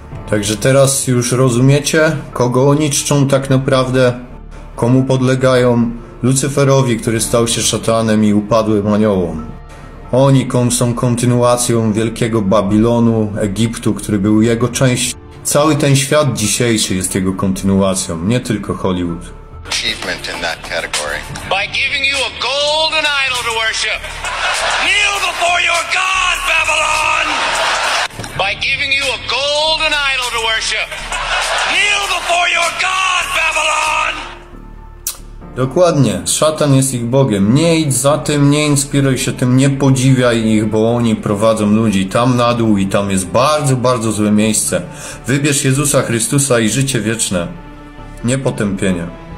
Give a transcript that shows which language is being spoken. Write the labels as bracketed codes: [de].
[pl] Także teraz już rozumiecie, kogo oni czczą tak naprawdę, komu podlegają. Lucyferowi, który stał się szatanem i upadłym aniołom. Oni są kontynuacją wielkiego Babilonu, Egiptu, który był jego częścią. Cały ten świat dzisiejszy jest jego kontynuacją, nie tylko Hollywood. [en] Achievement in that category. By giving you a golden idol to worship. Kneel before your god, Babylon! By giving you a golden idol to worship. Kneel before your god, Babylon! [pl] Dokładnie, szatan jest ich bogiem. Nie idź za tym, nie inspiruj się tym, nie podziwiaj ich, bo oni prowadzą ludzi tam na dół i tam jest bardzo, bardzo złe miejsce. Wybierz Jezusa Chrystusa i życie wieczne. Nie potępienie.